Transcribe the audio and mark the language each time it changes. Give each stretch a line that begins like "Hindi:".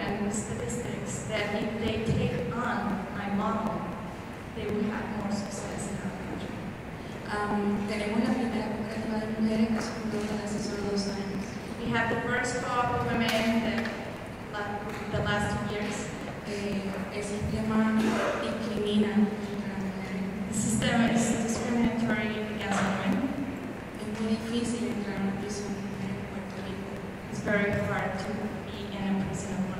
English: Statistics that if they take on my model, they will have more success in our country.
Spanish: Tenemos la primera cooperativa de mujeres que se fundó hace solo 2 años.
English: We have the first co-op of women in the last 2 years.
Spanish: El sistema discrimina contra mujeres.
English: The system is discriminatory against women.
Spanish: Es muy difícil entrar en una prisión en Puerto Rico.
English: It's very hard to be in a prison.